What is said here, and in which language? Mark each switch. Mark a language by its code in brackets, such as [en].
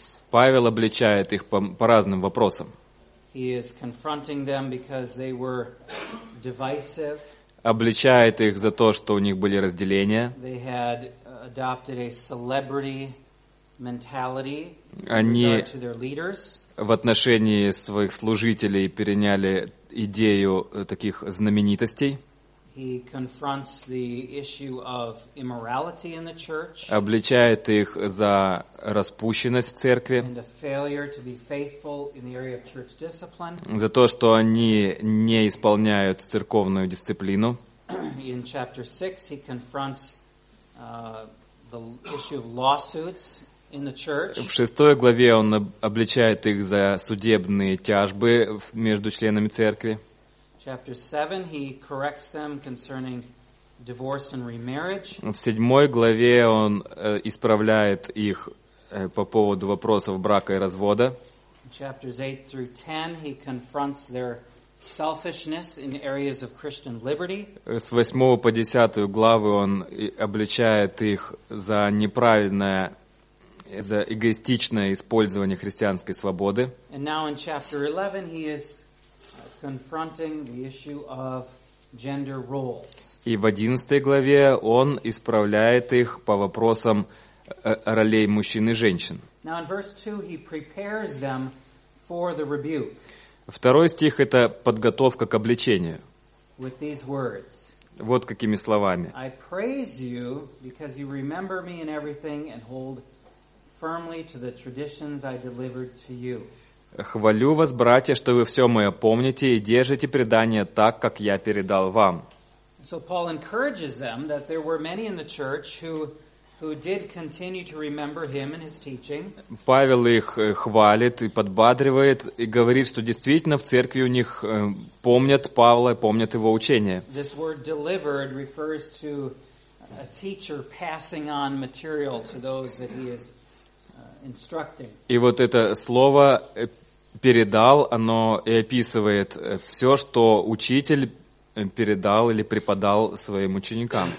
[ru] Павел обличает их по разным вопросам. [en] He is confronting them because they were divisive. [ru] обличает их за то, что у них были разделения. [en] They had adopted a celebrity mentality to their leaders. [ru] В отношении своих служителей переняли идею таких знаменитостей. [en] He confronts the issue of immorality in the church. [ru] Обличает их за распущенность в церкви. [en] And a failure to be faithful in the area of church discipline. [ru] За то, что они не исполняют церковную дисциплину. [en] In chapter 6 he confronts the issue of lawsuits in the church. [ru] В шестой главе он обличает их за судебные тяжбы между членами церкви. [en] Chapter 7 he corrects them concerning divorce and remarriage. [ru] В седьмой главе он исправляет их по поводу вопросов брака и развода. [en] Chapters 8 through 10 he confronts their selfishness in areas of Christian liberty. [ru] С 8 по 10 главы он обличает их за неправильное, за эгоистичное использование христианской свободы. [en] And now in chapter 11 he is confronting the issue of gender roles. [ru] И в 11 главе он исправляет их по вопросам ролей мужчин и женщин. [en] Now in verse 2 he prepares them for the rebuke. [ru] Второй стих — это подготовка к обличению. [en] With these words. [ru] Вот какими словами. [en] I praise you because you remember me in everything and hold firmly to the traditions I delivered to you. [ru] Хвалю вас, братья, что вы все мое помните и держите предание так, как я передал вам. [en] So Paul encourages them that there were many in the church who did continue to remember him and his teaching. [ru] Павел их хвалит и подбадривает и говорит, что действительно в церкви у них помнят Павла, помнят его учение. [en] This word delivered refers to a teacher passing on material to those that he is instructing. [ru] И вот это слово передал, оно и описывает все, что учитель передал или преподал своим ученикам.